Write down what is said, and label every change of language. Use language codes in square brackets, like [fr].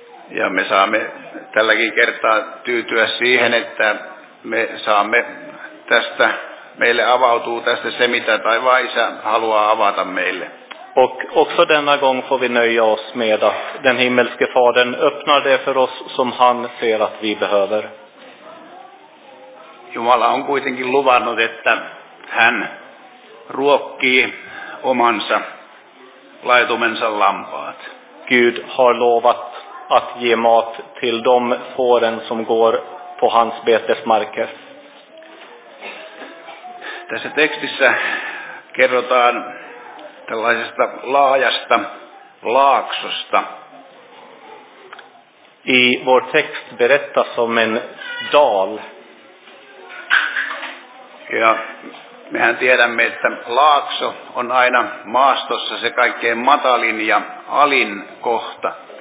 [fi] Ja me saamme tälläkin kertaa tyytyä siihen, että me saamme tästä, meille avautuu tästä se, mitä taivaan isä haluaa avata meille. [sv] Och också denna gång får vi nöja oss med att den himmelske fadern öppnar det för oss som han ser att vi behöver. [fi] Jumala on kuitenkin luvannut, että hän ruokkii omansa laitumensa lampaat. [sv] Gud har lovat att ge mat till de fåren som går på hans betesmarker. [fi] Tässä tekstissä kerrotaan tällaisesta laajasta laaksosta. [sv] i vår text berättas om en dal. [fi] Ja mehän tiedämme, että laakso on aina maastossa se kaikkein matalin ja alin kohta.